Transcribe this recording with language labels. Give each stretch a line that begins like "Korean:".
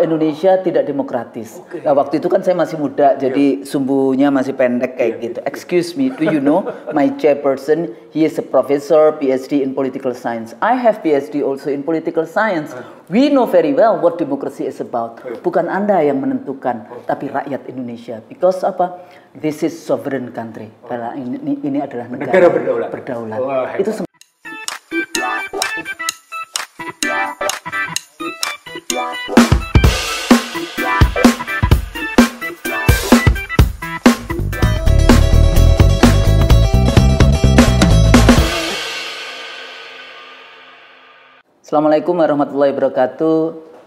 Indonesian: Indonesia tidak demokratis. Okay. Nah, waktu itu kan saya masih muda, jadi sumbunya masih pendek kayak gitu.
English: Excuse me, do you know my chairperson? He is a professor, PhD in political science. I have PhD also in political science. We know very well what democracy is about.
Indonesian: Bukan Anda yang menentukan, tapi rakyat Indonesia. Because apa?
English: This is sovereign country.
Indonesian: Ini adalah negara berdaulat.
Arabic: Itu Assalamualaikum warahmatullahi wabarakatuh.